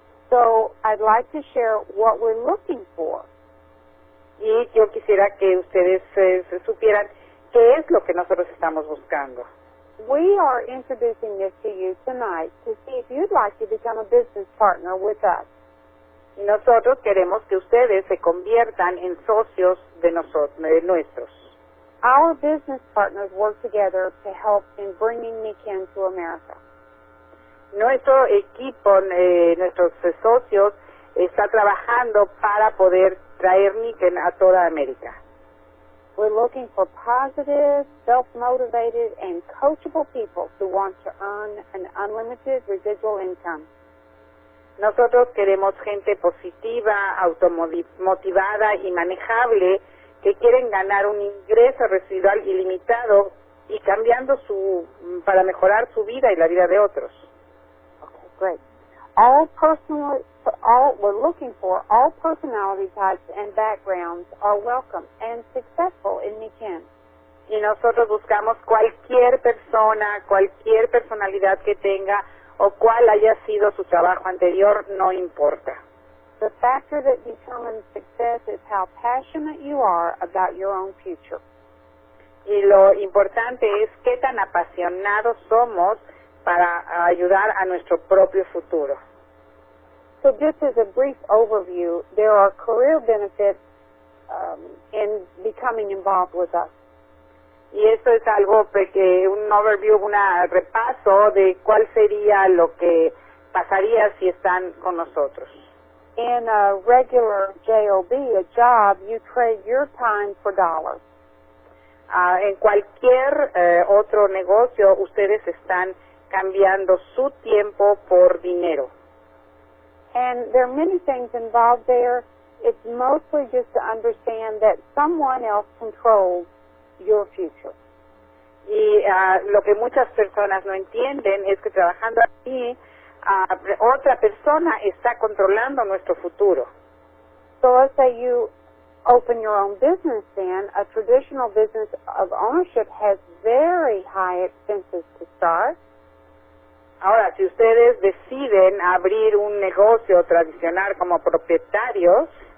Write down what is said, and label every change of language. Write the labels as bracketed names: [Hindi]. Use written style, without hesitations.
[English] So I'd like to share what we're looking for. [Spanish] Y yo quisiera que ustedes supieran qué es lo que nosotros estamos buscando. [English] We are introducing this to you tonight to see if you'd like to become a business partner with us. [Spanish] Y nosotros queremos que ustedes se conviertan en socios de nuestros. [English] Our business partners work together to help in bringing Niken to America. [Spanish] Nuestro equipo, nuestros socios, está trabajando para poder traer Niken a toda América. [English] We're looking for positive, self-motivated, and coachable people who want to earn an unlimited residual income. [Spanish] Nosotros queremos gente positiva, automotivada y manejable que quieren ganar un ingreso residual ilimitado y cambiando su para mejorar su vida y la vida de otros. [English] Okay, great. We're looking for all personality types and backgrounds are welcome and successful in Niken. [Spanish] Y nosotros buscamos cualquier persona, cualquier personalidad que tenga o cuál haya sido su trabajo anterior, no importa. [English] The factor that determines success is how passionate you are about your own future. [Spanish] Y lo importante es qué tan apasionados somos para ayudar a nuestro propio futuro. [English] So just as a brief overview, there are career benefits in becoming involved with us. [Spanish] Y esto es algo que un overview, un repaso de cuál sería lo que pasaría si están con nosotros. [English] In a regular JOB, a job, you trade your time for dollars. [Spanish] En cualquier otro negocio, ustedes están cambiando su tiempo por dinero. [English] And there are many things involved there. It's mostly just to understand that someone else controls your future. [Spanish] Y lo que muchas personas no entienden es que trabajando aquí otra persona está controlando nuestro futuro. [English] So let's say you open your own business, then a traditional business of ownership has very high expenses to start. [Spanish] Ahora, si ustedes deciden abrir un negocio tradicional como propietarios,